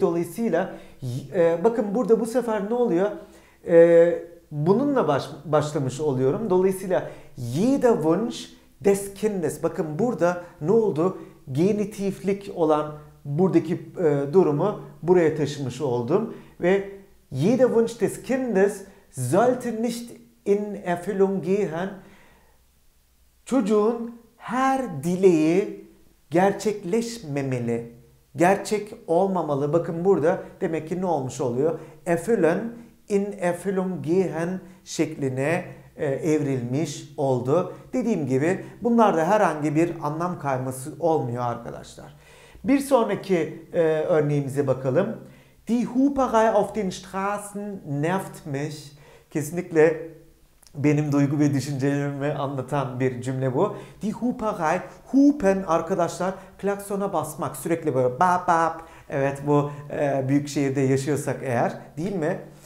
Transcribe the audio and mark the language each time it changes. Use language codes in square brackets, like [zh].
[tr] Dolayısıyla bakın burada bu sefer ne oluyor? Bununla başlamış oluyorum. Dolayısıyla [de] jeder Wunsch des Kindes. [tr] Bakın burada ne oldu? Genitivlik olan buradaki durumu buraya taşımış oldum. [de] Ve jeder Wunsch des Kindes sollte nicht in Erfüllung gehen. [tr] Çocuğun her dileği gerçekleşmemeli. Gerçek olmamalı. Bakın burada demek ki ne olmuş oluyor? [de] Erfüllen in Erfüllung gehen [tr] şekline evrilmiş oldu. Dediğim gibi bunlarda herhangi bir anlam kayması olmuyor arkadaşlar. Bir sonraki örneğimize bakalım. [de] Die Huperei auf den Straßen nervt mich. [tr] Kesinlikle benim duygu ve düşüncelerimi anlatan bir cümle bu. Die Huperei, hupen arkadaşlar klaksona basmak, sürekli böyle bap bap. Evet, bu büyük şehirde yaşıyorsak eğer, değil mi?